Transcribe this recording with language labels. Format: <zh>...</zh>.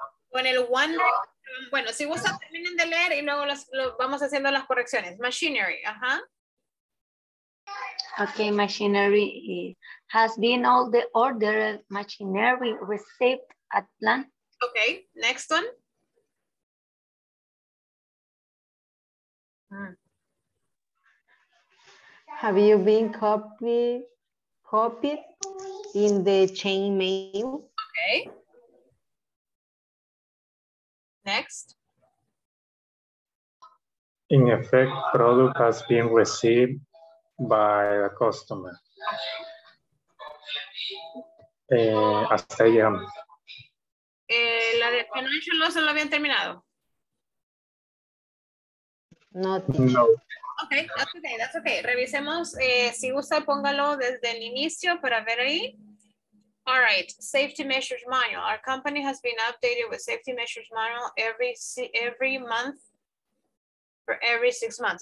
<es>Con el one, bueno, si vos terminen de leer y luego lo vamos haciendo las correcciones.</es> <en>Machinery, ajá. Okay, machinery has been all the ordered machinery received at plant. Okay, next one. Have you been copied in the chain mail? Okay. Next. In effect, product has been received by a customer.</en> <es>Hasta ahí llegamos. La de financial loss lo habían terminado. No.</es> <en>Okay, that's okay.</en> <es>Revisemos. Si gusta, póngalo desde el inicio para ver ahí.</es> <en>All right, safety measures manual. Our company has been updated with safety measures manual every month for every 6 months.</en>